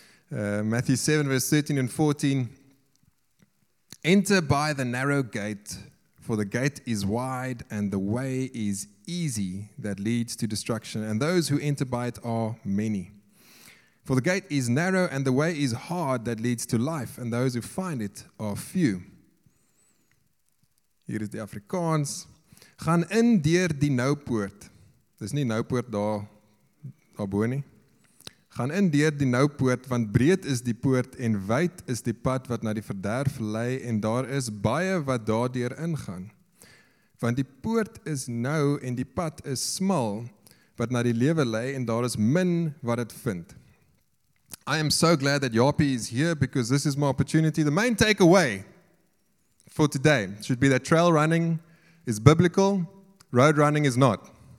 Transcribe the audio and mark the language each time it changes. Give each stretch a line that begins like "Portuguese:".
English: Matthew 7, verse 13 and 14. Enter by the narrow gate, for the gate is wide and the way is easy that leads to destruction, and those who enter by it are many. For the gate is narrow and the way is hard that leads to life, and those who find it are few.
Afrikaans: Hier is die Afrikaans. Gaan in deur die nou poort. Dis nie nou poort daar bo nie. Gaan in deur die nou poort, want breed is die poort en wyd is die pad wat na die verderf lei, en daar is baie wat daardeur ingaan. Want die poort is nou en die pad is smal wat na die lewe lei, en daar is min wat dit vind.
English: I am so glad that Yopi is here because this is my opportunity. The main takeaway for today should be that trail running is biblical, road running is not.